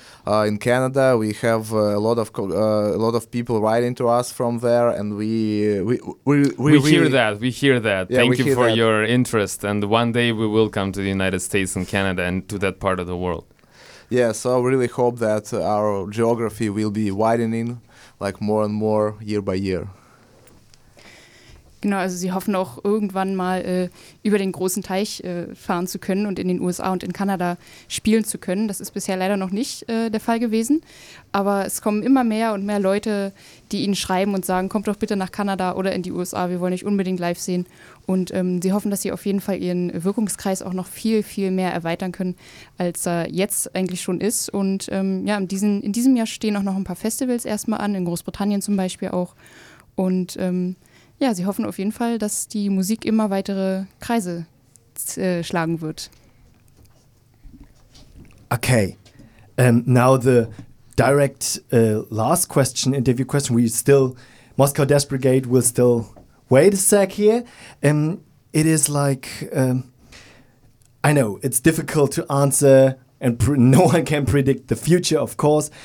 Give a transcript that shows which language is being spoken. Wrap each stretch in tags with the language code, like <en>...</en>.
<en>In Canada, we have a lot of people writing to us from there, and we hear that. Yeah, thank you for your interest, and one day we will come to the United States and Canada and to that part of the world. Yeah, so I really hope that our geography will be widening, like more and more year by year.</en> <de>Genau, also sie hoffen auch irgendwann mal über den großen Teich fahren zu können und in den USA und in Kanada spielen zu können. Das ist bisher leider noch nicht der Fall gewesen. Aber es kommen immer mehr und mehr Leute, die ihnen schreiben und sagen, kommt doch bitte nach Kanada oder in die USA, wir wollen euch unbedingt live sehen. Und sie hoffen, dass sie auf jeden Fall ihren Wirkungskreis auch noch viel, viel mehr erweitern können, als er jetzt eigentlich schon ist. Und ja, in diesem Jahr stehen auch noch ein paar Festivals erstmal an, in Großbritannien zum Beispiel auch. Und ja, sie hoffen auf jeden Fall, dass die Musik immer weitere Kreise schlagen wird.</de> <en>Okay, now the direct last question, interview question. We still, Moscow Death Brigade will still wait a sec here. It is like, I know, it's difficult to answer and no one can predict the future, of course.</en>